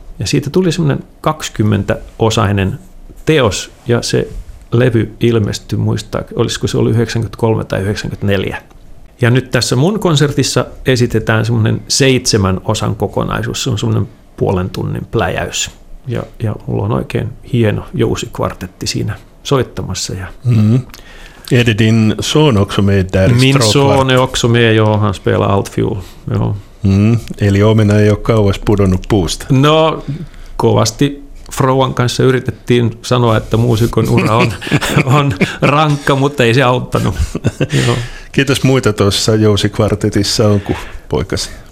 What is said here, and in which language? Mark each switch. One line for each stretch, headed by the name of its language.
Finnish: Ja siitä tuli semmoinen 20-osainen teos, ja se levy ilmestyi, muistaa, olisiko se ollut 93 tai 94. Ja nyt tässä mun konsertissa esitetään semmoinen 7-osan kokonaisuus, se on semmoinen 1,5 tunnin pläjäys. Ja mulla on oikein hieno jousikvartetti siinä soittamassa. Ja
Swedish: Edin son också med där. Min son är också med, joo, han spelar altfiol.
Finnish: Eli omena ei ole kauas pudonnut puusta. No, kovasti Frouan kanssa yritettiin sanoa, että muusikon ura on rankka, mutta ei se auttanut. Joo. Kiitos muita tuossa jousikvartetissa on kuin poikasi.